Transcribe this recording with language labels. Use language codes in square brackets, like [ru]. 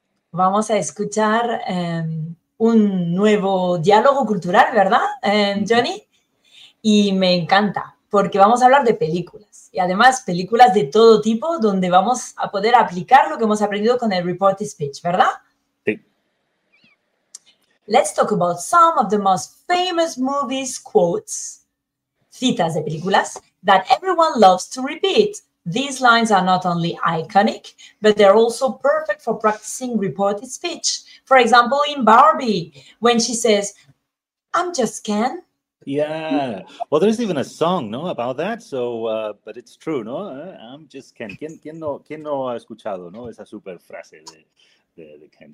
[es] Vamos a escuchar un nuevo diálogo cultural, ¿verdad, Johnny? Y me encanta, porque vamos a hablar de películas. Y además, películas de todo tipo, donde vamos a poder aplicar lo que hemos aprendido con el reported speech, ¿verdad? Sí. [en] Let's talk about some of the most famous movies quotes. [es] Citas de películas [en] that everyone loves to repeat. These lines are not only iconic, but they're also perfect for practicing reported speech. For example, in Barbie, when she says, "I'm just Ken." Yeah. Well, there's even a song, no, about that. So, but it's true, no. I'm just Ken. [es] ¿Quién no ha escuchado, no, esa super frase de Ken?